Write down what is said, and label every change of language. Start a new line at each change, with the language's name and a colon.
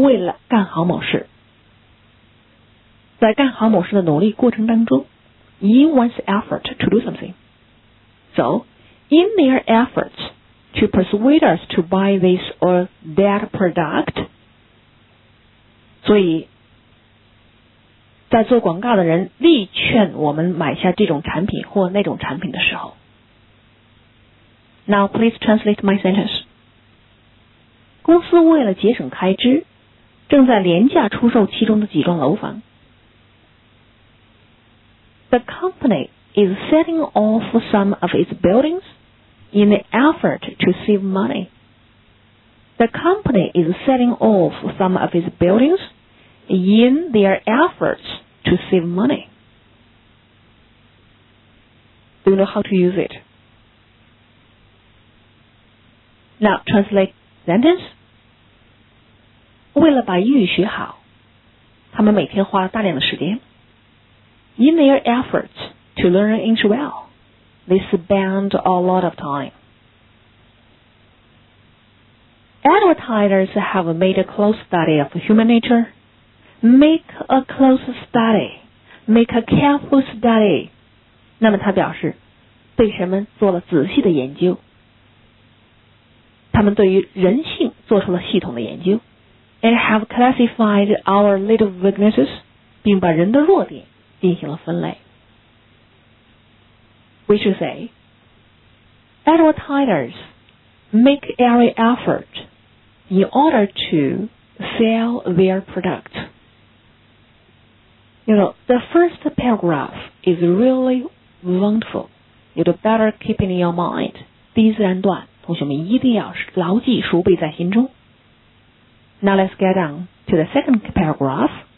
Chinese: 为了干好某事，在干好某事的努力过程当中 ，
English: in one's effort to do something. So, in their efforts to persuade us to buy this or that product.
Chinese: 所以，在做广告的人力劝我们买下这种产品或那种产品的时候。
English: Now, please translate my sentence.
Chinese: 公司为了节省开支。正在廉价出售其中的几幢楼房。
English: The company is selling off some of its buildings in an effort to save money. The company is selling off some of its buildings in their efforts to save money. Do you know how to use it? Now translate sentence.
Chinese: 为了把英语学好，他们每天花了大量的时间。
English: In their efforts to learn English well, they spend a lot of time. Advertisers have made a close study of human nature. Make a close study, make a careful study.
Chinese: 那么他表示，对人们做了仔细的研究。他们对于人性做出了系统的研究。
English: And have classified our little weaknesses,
Chinese: 并把人的弱点进行了分类。
English: We should say, advertisers make every effort in order to sell their product. You know, the first paragraph is really wonderful. You'd better keep it in your mind.
Chinese: 第一自然段，同学们一定要牢记熟背在心中。
English: Now let's get on to the second paragraph.